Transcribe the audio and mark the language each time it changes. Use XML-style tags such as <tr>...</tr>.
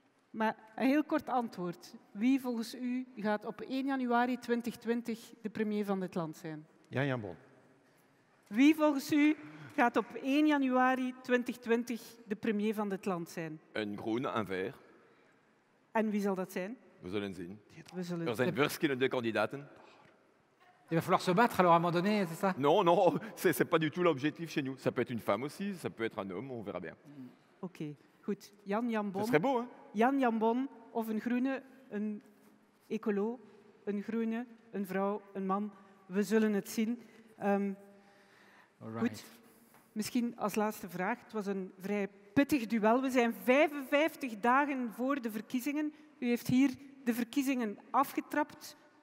<nl>Maar een heel kort antwoord. Wie volgens u gaat op 1 januari 2020 de premier van dit land zijn? Jan Bon. Wie volgens u gaat op 1 januari 2020 de premier van dit land zijn? Een groene, een vert. En wie zal dat zijn? We zullen zien. Er zijn verschillende kandidaten.</nl> <fr>Il va falloir se battre, alors, à un moment donné, c'est ça? Non, non, c'est pas du tout l'objectif chez nous. Ça peut être une femme aussi, ça peut être un homme, on verra bien.</fr> <nl>Ok, goed. Jan Jambon.</nl> <fr>Ce serait beau, hein?</fr> <nl>Jan Jambon, of een groene, een écolo, een groene, een vrouw, een man. We zullen het zien. Goed. Misschien als laatste vraag. Het was een vrij pittig duel. We zijn 55 dagen voor de verkiezingen. U heeft hier de verkiezingen afgetrapt.</nl>